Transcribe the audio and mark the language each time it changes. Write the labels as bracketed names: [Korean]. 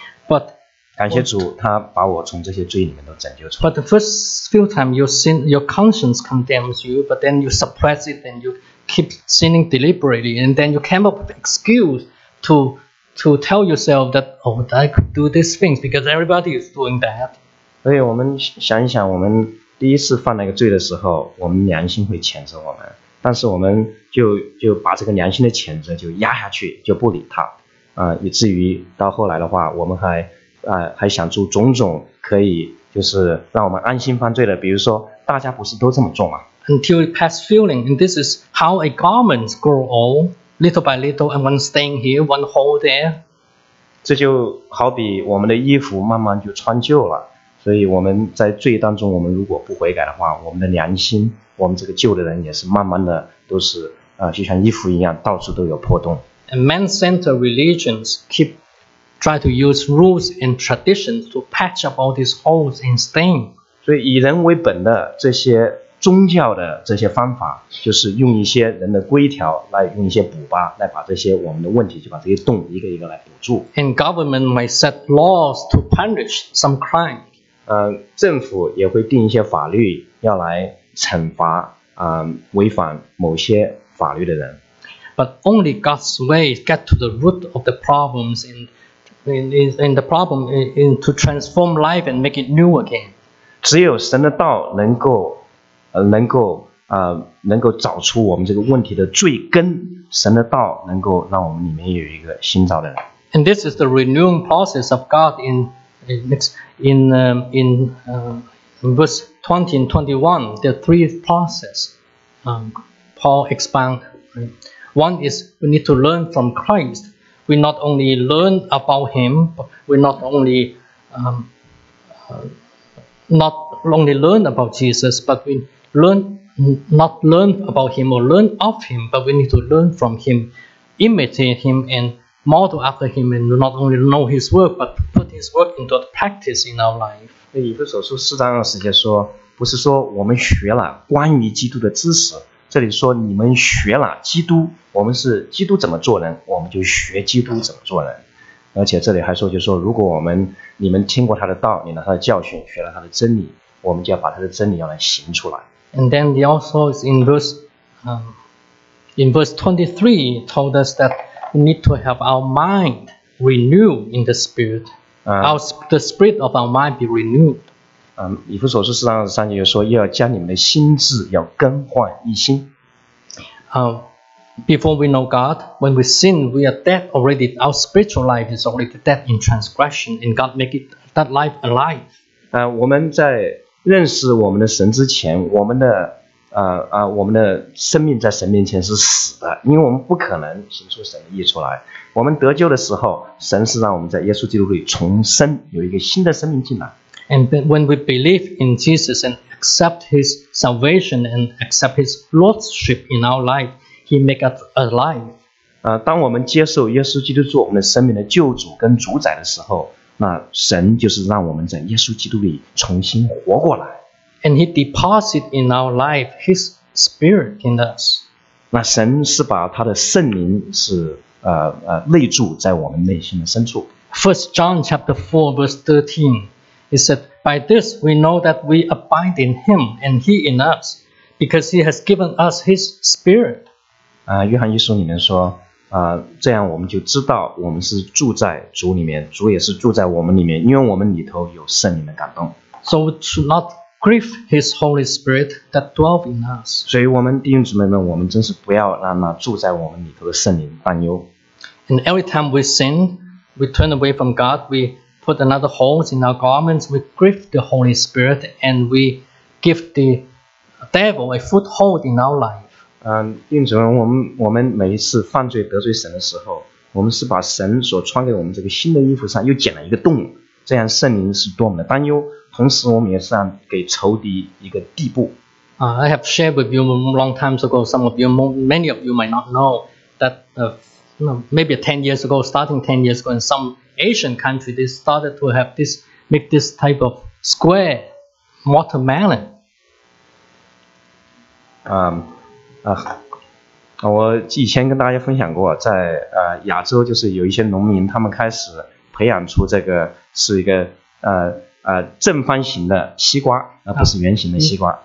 [English] But [Chinese] 感谢主，他把我从这些罪里面都拯救出来。 [English] But the first few times your sin, your conscience condemns you, but then you suppress it and you keep sinning deliberately, and then you came up with an excuse to tell yourself that, oh, I could do these things because everybody is doing that. [Chinese] 所以我们想一想，我们第一次犯那个罪的时候，我们良心会谴责我们。但是我们就把这个良心的谴责就压下去，就不理他，以至于到后来的话，我们还想出种种可以就是让我们安心犯罪的。比如说，大家不是都这么做吗？ [English] Until it passed feeling, and this is how a garment grow old, little by little, and one stain here, one hole there. [Chinese] 这就好比我们的衣服慢慢就穿旧了。所以我们在罪当中，我们如果不悔改的话，我们的良心，我们这个旧的人也是慢慢的都是就像衣服一样，到处都有破洞。 [English] And man-centered religions keep try to use rules and traditions to patch up all these holes and stains. [Chinese] 所以以人为本的这些宗教的这些方法，就是用一些人的规条来用一些补吧，来把这些我们的问题，就把这些洞一个一个来补住。 [English] And government may set laws to punish some crime. [Chinese] 政府也会定一些法律要来惩罚违反某些法律的人。 [English] But only God's way get to the root of the problems and the problem in to transform life and make it new again. [Chinese] 只有神的道能够找出我们这个问题的最根，神的道能够让我们里面有一个新造的人。 [English] And this is the renewing process of God in verse 20 and 21, the three processes Paul expounds. One is we need to learn from Christ. We not only learn about him, but we not only learn about Jesus, but we not learn about him or learn of him, but we need to learn from him, imitate him and model after him, and not only know his work, but put his work into practice in our life. [Chinese] 以弗所书四章二十节说，不是说我们学了关于基督的知识，这里说你们学了基督，我们是基督怎么做人，我们就学基督怎么做人。而且这里还说，就是说如果你们听过他的道，你拿他的教训，学了他的真理，我们就要把他的真理要来行出来。 [English] And then he also is in verse 23 told us that we need to have our mind renewed in the spirit. The spirit of our mind be renewed. [Chinese] 以弗所书四章二十三节就说，要将你们的心智要更换一新。 [English] Before we know God, when we sin, we are dead already. Our spiritual life is already dead in transgression, and God make it that life alive. [Chinese] 我们在认识我们的神之前，我们的生命在神面前是死的，因为我们不可能行出神的义出来。我们得救的时候，神是让我们在耶稣基督里重生，有一个新的生命进来。 [English] And when we believe in Jesus and accept His salvation and accept His lordship in our life, He make us alive. [Chinese] 当我们接受耶稣基督做我们的生命的救主跟主宰的时候，那神就是让我们在耶稣基督里重新活过来。 [English] And He deposit in our life His Spirit in us. [Chinese] 那神是把他的圣灵是内住在我们内心的深处。 [English] First John chapter 4 verse 13, He said, "By this we know that we abide in Him and He in us, because He has given us His Spirit." [Chinese] 约翰一书里面说，这样我们就知道我们是住在主里面，主也是住在我们里面，因为我们里头有圣灵的感动。 [English] So we should not grieve His Holy Spirit that dwells in us. [Chinese] 所以我们弟兄姊妹们，我们真是不要让那住在我们里头的圣灵担忧。 [English] And every time we sin, we turn away from God, we put another holes in our garments, we grieve the Holy Spirit, and we give the devil a foothold in our life. [Chinese] 弟兄姊妹，我们每一次犯罪得罪神的时候，我们是把神所穿给我们这个新的衣服上又剪了一个洞，这样圣灵是多么的担忧，同时我们也是让给仇敌一个地步。 [English] I have shared with you long times ago. Some of you, many of you, might not know that maybe 10 years ago, starting 10 years ago, in some Asian country, they started to have this make this type of square watermelon. [Chinese] 我以前跟大家分享过，在亚洲就是有一些农民，他们开始培养出这个是一个正方形的西瓜，而不是圆形的西瓜。